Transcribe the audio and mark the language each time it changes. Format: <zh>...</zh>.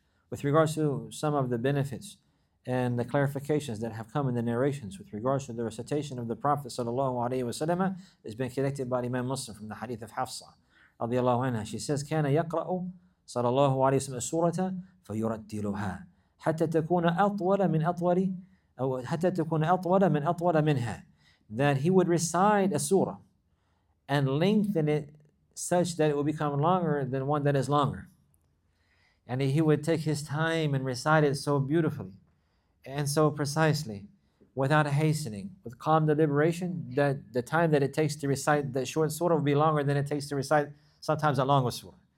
<en>With regards to some of the benefits and the clarifications that have come in the narrations with regards to the recitation of the Prophet sallallahu alayhi wa sallam has been collected by Imam Muslim from the hadith of Hafsa radiallahu anha. She says,</en> <ar>كان يقرأ صلى الله عليه وسلم السورة فيرتلها حتى تكون أطول من أطول أو حتى تكون أطول من أطول منها.</ar> <en>That he would recite a surah and lengthen it such that it would become longer than one that is longer. And he would take his time and recite it so beautifully and so precisely, without hastening, with calm deliberation, that the time that it takes to recite the short surah would be longer than it takes to recite sometimes a longer surah.</en>